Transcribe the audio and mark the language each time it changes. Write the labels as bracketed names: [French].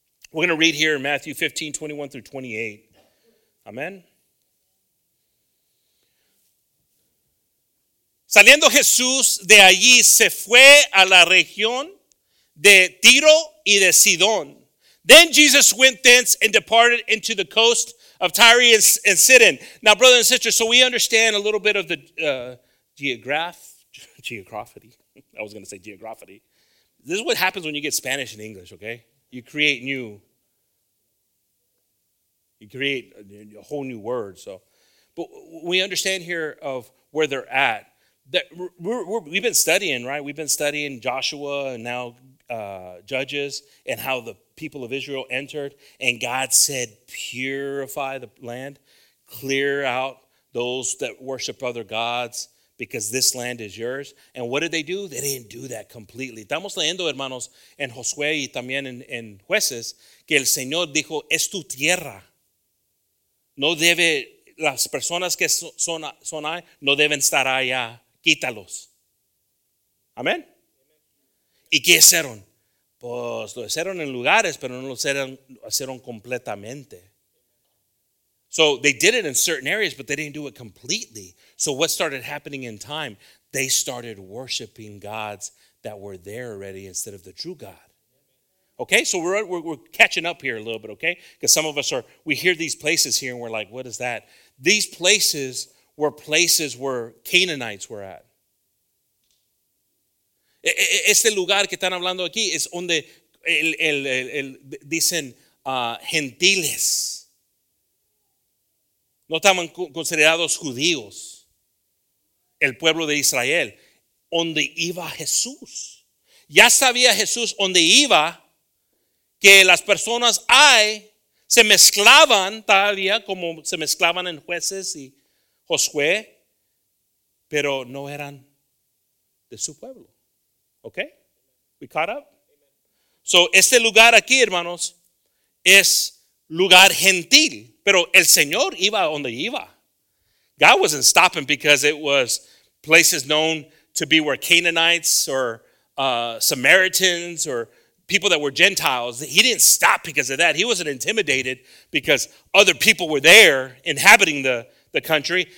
[English] We're going to read here in Matthew 15, 21 through 28. Amen. [Spanish] Saliendo Jesús de allí, se fue a la región de Tiro y de Sidón. [English] Then Jesus went thence and departed into the coast of Tyre and Sidon. Now, brothers and sisters, so we understand a little bit of the geography. I was going to say geography. This is what happens when you get Spanish and English, okay? You create a whole new word. So, but we understand here of where they're at. That we've been studying, right? We've been studying Joshua and now Judges and how the people of Israel entered. And God said, purify the land, clear out those that worship other gods because this land is yours. And what did they do? They didn't do that completely. [Spanish] Estamos leyendo, hermanos, en Josué y también en Jueces, que el Señor dijo, es tu tierra. No debe, las personas que son ahí, no deben estar allá. Quítalos. Amén. ¿Y qué hicieron? Pues lo hicieron en lugares, pero no lo hicieron completamente. [English] So they did it in certain areas, but they didn't do it completely. So what started happening in time? They started worshiping gods that were there already instead of the true God. Okay, so we're catching up here a little bit, okay? Because some of us are, we hear these places here and we're like, what is that? These places were places where Canaanites were at. [Spanish] Este lugar que están hablando aquí es donde el dicen gentiles. No estaban considerados judíos. El pueblo de Israel. Donde iba Jesús. Ya sabía Jesús donde iba que las personas ahí se mezclaban todavía como se mezclaban en Jueces y Josué, pero no eran de su pueblo. Okay? [English] We caught up? So, [Spanish] este lugar aquí, hermanos, es lugar gentil, pero el Señor iba donde iba. [English] God wasn't stopping because it was places known to be where Canaanites or Samaritans or people that were Gentiles. He didn't stop because of that. He wasn't intimidated because other people were there inhabiting the country.